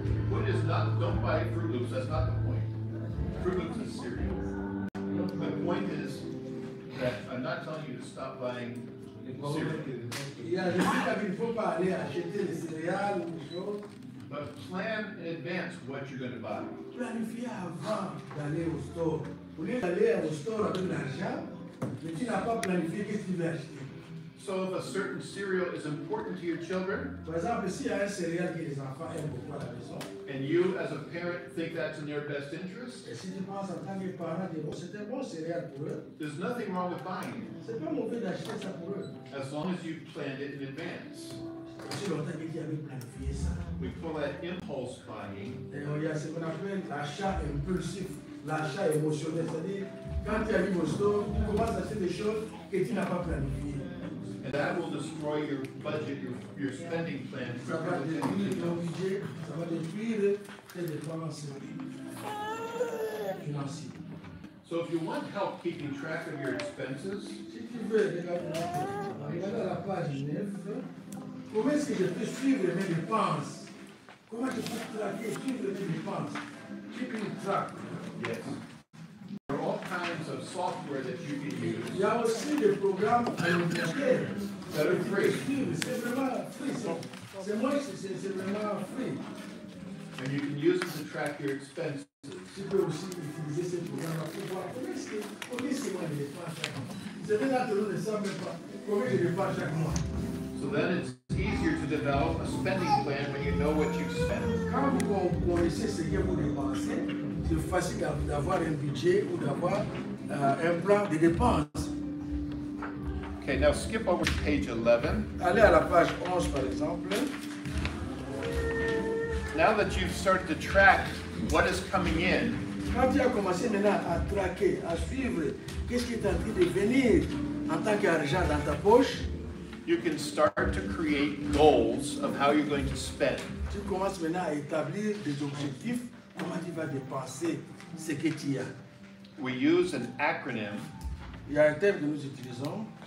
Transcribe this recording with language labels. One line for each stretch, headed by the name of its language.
English: Food is not, don't buy Fruit Loops, that's not the point. Fruit Loops is cereal. The point is that I'm not telling you to stop buying cereal. But plan in advance what you're going to buy.
French: Planifie avant d'aller au store. Au lieu d'aller au store avec l'argent, mais tu n'as pas planifié ce que tu veux acheter.
English: So if a certain cereal is important to your children,
French: par exemple, si un céréal que les enfants aiment beaucoup à la maison,
English: and you, as a parent, think that's in your best interest,
French: et si tu penses en tant que parent, c'est un bon céréal pour eux,
English: there's nothing wrong with buying it.
French: C'est pas mauvais d'acheter ça pour eux.
English: As long as you've planned it in advance.
French: Si longtemps que tu avais planifié ça.
English: We call that impulse buying.
French: Et on y a ce qu'on appelle l'achat impulsif, l'achat émotionnel. C'est-à-dire, quand tu arrives au store, tu commences à acheter des choses que tu n'as pas planifiées.
English: And that will destroy your budget, your spending plan.
French: Ça va détruire ton budget, ça va détruire tes dépenses financières.
English: So if you want help keeping track of your expenses,
French: si tu veux, regarde la page 9. Comment est-ce que je peux suivre mes dépenses? Comment je peux traquer, suivre mes dépenses?
English: Keeping track. Yes. Kinds of software that you can use.
French: Il y a aussi des programmes
English: that are free.
French: C'est vraiment free.
English: And you can use it to track your expenses.
French: Tu peux aussi utiliser ces programmes pour voir combien je dépense chaque mois. C'est vraiment tout le monde ne sait pas combien je dépense chaque mois.
English: So then it's easier to develop a spending plan when you know what you've spent.
French: Quand vous connaissez ce que vous dépensez, c'est facile d'avoir un budget ou d'avoir un plan de dépenses.
English: Okay, now skip over to page 11.
French: Allez à la page 11, par exemple.
English: Now that you've started to track what is coming in.
French: Quand tu as commencé maintenant à traquer, à suivre, qu'est-ce qui est en train de venir en tant qu'argent dans ta poche?
English: You can start to create goals of how you're going to spend.
French: Tu commences maintenant à établir des objectifs. Comment tu vas dépenser ce que tu as?
English: we use an acronym.
French: Il y a un terme que nous utilisons.